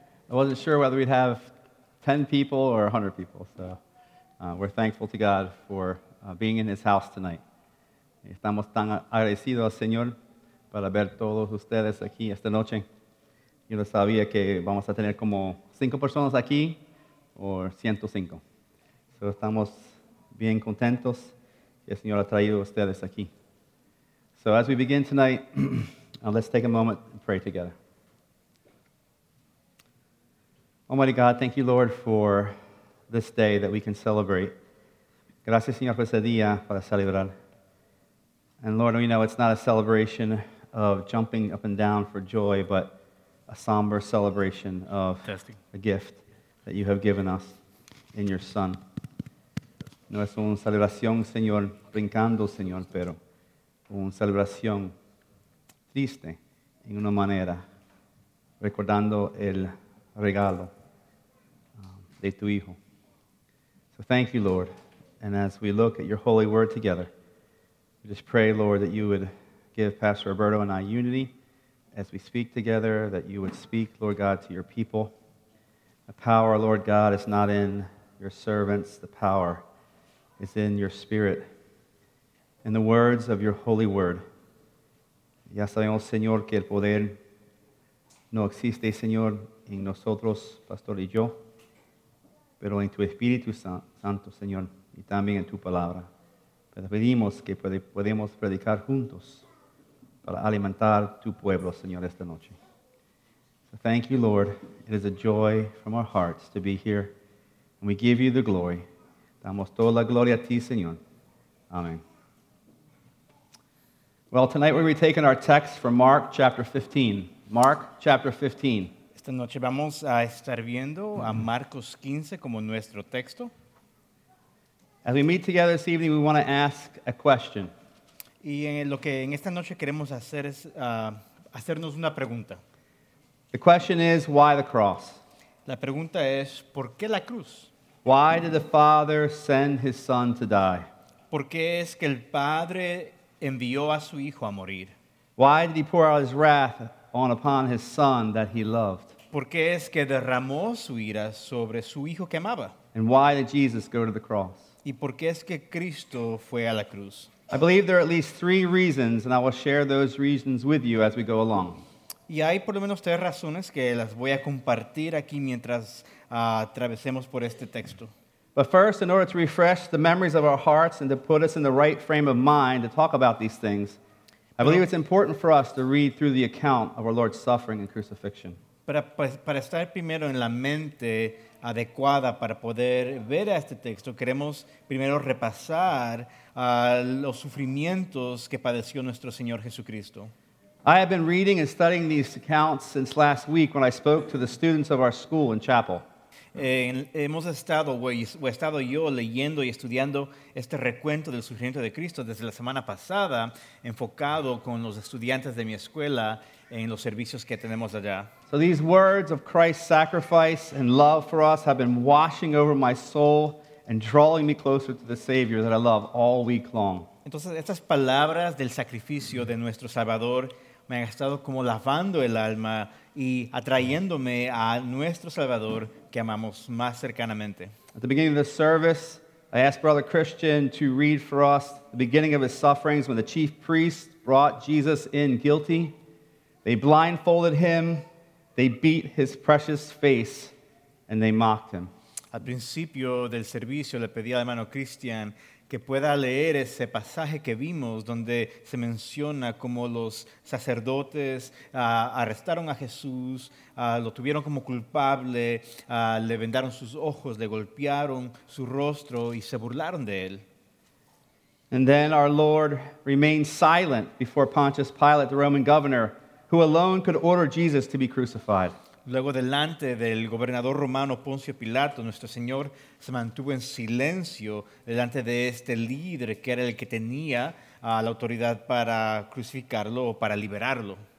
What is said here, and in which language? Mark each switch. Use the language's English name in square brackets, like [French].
[English] I wasn't sure whether we'd have 10 people or 100 people, so we're thankful to God for being in His house tonight. [Spanish] Estamos tan agradecidos al Señor para ver todos ustedes aquí esta noche. Yo no sabía que vamos a tener como 5 personas aquí. [English] Or 105. So [Spanish] estamos bien contentos que el Señor ha traído ustedes aquí. [English] So as we begin tonight, let's take a moment and pray together. Almighty God, thank you, Lord, for this day that we can celebrate. [Spanish] Gracias, Señor, por ese día para celebrar. [English] And Lord, we know it's not a celebration of jumping up and down for joy, but a somber celebration of testing a gift that you have given us in your Son. [Spanish] No es una celebración, Señor, brincando, Señor, pero una celebración triste en una manera, recordando el regalo de tu Hijo. [English] So thank you, Lord. And as we look at your holy word together, we just pray, Lord, that you would give Pastor Roberto and I unity as we speak together, that you would speak, Lord God, to your people. The power, Lord God, is not in your servants. The power is in your Spirit, in the words of your holy word. [Spanish] Ya sabemos, Señor, que el poder no existe, Señor, en nosotros, Pastor y yo, pero en tu Espíritu Santo, Señor, y también en tu palabra. Pero pedimos que podemos predicar juntos para alimentar tu pueblo, Señor, esta noche. [English] Thank you, Lord. It is a joy from our hearts to be here. And we give you the glory. [Spanish] Damos toda la gloria a ti, Señor. Amen. [English] Well, tonight we're going to be taking our text from Mark chapter 15. Mark chapter 15. [Spanish] Esta noche vamos a estar viendo a Marcos 15 como nuestro texto. [English] As we meet together this evening, we want to ask a question. [Spanish] Y en lo que en esta noche queremos hacer es hacernos una pregunta. [English] The question is, why the cross? [Spanish] La pregunta es, ¿por qué la cruz? [English] Why did the Father send His Son to die? [Spanish] ¿Por qué es que el Padre envió a su Hijo a morir? [English] Why did He pour out His wrath upon His Son that He loved? [Spanish] ¿Por qué es que derramó su ira sobre su Hijo que amaba? [English] And why did Jesus go to the cross? [Spanish] ¿Y por qué es que Cristo fue a la cruz? [English] I believe there are at least 3 reasons, and I will share those reasons with you as we go along. [Spanish] Y hay por lo menos 3 razones que las voy a compartir aquí mientras atravesemos por este texto. [English] But first, in order to refresh the memories of our hearts and to put us in the right frame of mind to talk about these things, I believe it's important for us to read through the account of our Lord's suffering and crucifixion. [Spanish] Para estar primero en la mente adecuada para poder ver a este texto, queremos primero repasar los sufrimientos que padeció nuestro Señor Jesucristo. [English] I have been reading and studying these accounts since last week when I spoke to the students of our school in chapel. [Spanish] Hemos estado, o he estado yo, leyendo y estudiando este recuento del sufrimiento de Cristo desde la semana pasada, enfocado con los estudiantes de mi escuela en los servicios que tenemos allá. [English] So these words of Christ's sacrifice and love for us have been washing over my soul and drawing me closer to the Savior that I love all week long. [Spanish] Entonces, estas palabras del sacrificio de nuestro Salvador me han estado como lavando el alma y atrayéndome a nuestro Salvador que amamos más cercanamente. [English] At the beginning of the service, I asked Brother Christian to read for us the beginning of his sufferings when the chief priests brought Jesus in guilty. They blindfolded him, they beat his precious face, and they mocked him. [Spanish] Al principio del servicio le pedí al hermano Christian que pueda leer ese pasaje que vimos donde se menciona cómo los sacerdotes arrestaron a Jesús, lo tuvieron como culpable, le vendaron sus ojos, le golpearon su rostro y se burlaron de él. [English] And then our Lord remained silent before Pontius Pilate, the Roman governor, who alone could order Jesus to be crucified. [Spanish] Luego, delante del gobernador romano Poncio Pilato, nuestro Señor se mantuvo en silencio delante de este líder que era el que tenía la autoridad para crucificarlo o para liberarlo.